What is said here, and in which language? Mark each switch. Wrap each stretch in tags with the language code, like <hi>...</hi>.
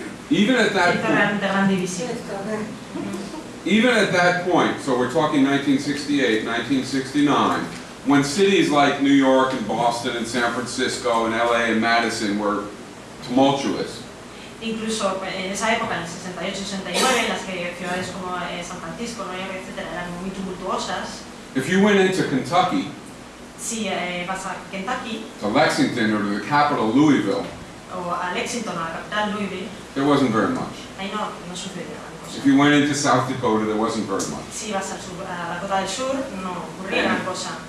<en>Even at that point, so we're talking 1968, 1969, when cities like New York and Boston and San Francisco and LA and Madison were tumultuous.</en> <es>Incluso en esa época, en el 68-69, las ciudades como San Francisco, Nueva York, etc., eran muy tumultuosas.</es> <en>If you went into Kentucky,</en> <es>si vas a Kentucky,</es> <en>to Lexington or to the capital Louisville,</en> <es>o a Lexington, a la capital Louisville,</es> <en>there wasn't very much.</en> <es>Ahí no sucedía nada.</es> <en>If you went into South Dakota, there wasn't very much.</en> <es>Si vas al sur, a la Dakota del Sur, no ocurría nada.</es>